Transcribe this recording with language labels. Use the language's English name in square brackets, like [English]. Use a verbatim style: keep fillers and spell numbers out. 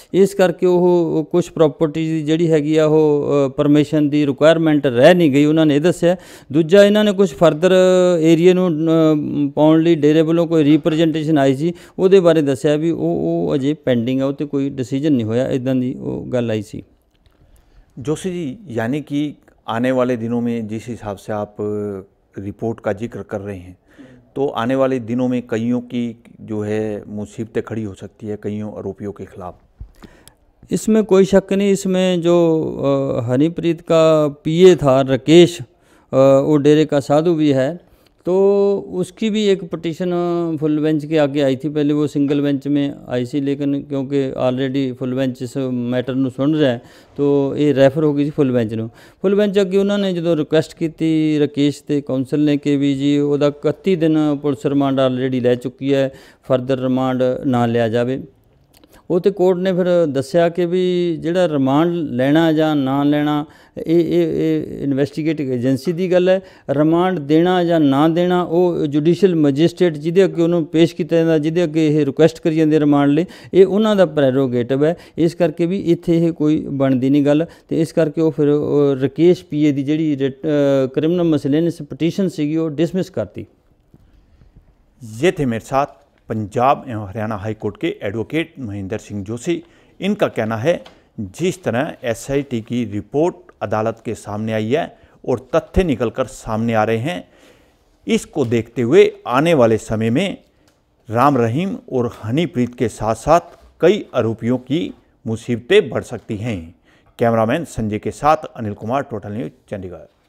[Punjabi] ਇਸ ਕਰਕੇ ਉਹ ਕੁਝ ਪ੍ਰਾਪਰਟੀ ਦੀ ਜਿਹੜੀ ਹੈਗੀ ਆ ਉਹ ਪਰਮਿਸ਼ਨ ਦੀ ਰਿਕੁਆਇਰਮੈਂਟ ਰਹਿ ਨਹੀਂ ਗਈ, ਉਹਨਾਂ ਨੇ ਇਹ ਦੱਸਿਆ। ਦੂਜਾ, ਇਹਨਾਂ ਨੇ ਕੁਝ ਫਰਦਰ ਏਰੀਏ ਨੂੰ ਅ, ਪਾਉਣ ਲਈ ਡੇਰੇ ਵੱਲੋਂ ਕੋਈ ਰੀਪ੍ਰੈਜੈਂਟੇਸ਼ਨ ਆਈ ਸੀ, ਉਹਦੇ ਬਾਰੇ ਦੱਸਿਆ ਵੀ ਉਹ ਉਹ ਅਜੇ ਪੈਂਡਿੰਗ ਆ, ਉਹ 'ਤੇ ਕੋਈ ਡਿਸੀਜਨ ਨਹੀਂ ਹੋਇਆ, ਇਦਾਂ ਦੀ ਉਹ ਗੱਲ ਆਈ ਸੀ। [Hindi] जोशी जी, यानी कि आने वाले दिनों में जिस हिसाब से आप अ, रिपोर्ट का जिक्र कर रहे हैं, तो आने वाले दिनों में कईयों की जो है मुसीबतें खड़ी हो सकती है, कईयों आरोपियों के खिलाफ। इसमें कोई शक नहीं, इसमें जो अ, हनीप्रीत का पीए था राकेश, अ, वो डेरे का साधु भी है, तो उसकी भी एक पटिशन अ, फुल बेंच के आगे आई थी। पहले वो सिंगल बेंच में आई थी, लेकिन क्योंकि ऑलरेडी फुल बेंच इस मैटर [Punjabi] ਨੂੰ ਸੁਣ ਰਿਹਾ ਹੈ, तो ਇਹ ਰੈਫਰ ਹੋ ਗਈ ਸੀ ਫੁੱਲ ਬੈਂਚ ਨੂੰ। ਫੁੱਲ ਬੈਂਚ ਅੱਗੇ ਉਹਨਾਂ ਨੇ ਜਦੋਂ ਰਿਕੁਐਸਟ ਕੀਤੀ ਰਾਕੇਸ਼ ਤੇ ਕਾਉਂਸਲ ਨੇ ਕਿ ਵੀ ਜੀ ਉਹਦਾ ਇਕੱਤੀ ਦਿਨ ਪੁਲਿਸ ਰਿਮਾਂਡ ਆਲਰੇਡੀ ਲੈ ਚੁੱਕੀ ਹੈ, ਫਰਦਰ ਰਿਮਾਂਡ ਨਾ ਲਿਆ ਜਾਵੇ। ਉਹ ਤੇ ਕੋਰਟ ਨੇ ਫਿਰ ਦੱਸਿਆ ਕਿ ਵੀ ਜਿਹੜਾ ਰਿਮਾਂਡ ਲੈਣਾ ਜਾਂ ਨਾ ਲੈਣਾ ਇਹ ਇਹ ਇਹ ਇਨਵੈਸਟੀਗੇਟਿਵ ਏਜੰਸੀ ਦੀ ਗੱਲ ਹੈ, ਰਿਮਾਂਡ ਦੇਣਾ ਜਾਂ ਨਾ ਦੇਣਾ ਉਹ ਜੁਡੀਸ਼ੀਅਲ ਮੈਜਿਸਟ੍ਰੇਟ ਜਿਹਦੇ ਅੱਗੇ ਉਹਨੂੰ ਪੇਸ਼ ਕੀਤਾ ਜਾਂਦਾ, ਜਿਹਦੇ ਅੱਗੇ ਇਹ ਰਿਕੁਐਸਟ ਕਰੀ ਜਾਂਦੇ ਰਿਮਾਂਡ ਲਈ, ਇਹ ਉਹਨਾਂ ਦਾ ਪ੍ਰੈਰੋਗੇਟਿਵ ਹੈ। ਇਸ ਕਰਕੇ ਵੀ ਇੱਥੇ ਇਹ ਕੋਈ ਬਣਦੀ ਨਹੀਂ ਗੱਲ, ਤੇ ਇਸ ਕਰਕੇ ਉਹ ਫਿਰ ਉਹ ਰਾਕੇਸ਼ ਪੀਏ ਦੀ ਜਿਹੜੀ ਕ੍ਰਿਮੀਨਲ ਮਸਲੇਨਸ ਪਟੀਸ਼ਨ ਸੀਗੀ ਉਹ ਡਿਸਮਿਸ ਕਰਤੀ। [Hindi] ये थे मेरे साथ पंजाब एवं हरियाणा हाई कोर्ट के एडवोकेट महेंद्र सिंह जोशी। इनका कहना है जिस तरह एसआईटी की रिपोर्ट अदालत के सामने आई है और तथ्य निकलकर सामने आ रहे हैं, इसको देखते हुए आने वाले समय में राम रहीम और हनीप्रीत के साथ साथ कई आरोपियों की मुसीबतें बढ़ सकती हैं। कैमरामैन संजय के साथ अनिल कुमार, टोटल न्यूज़, चंडीगढ़।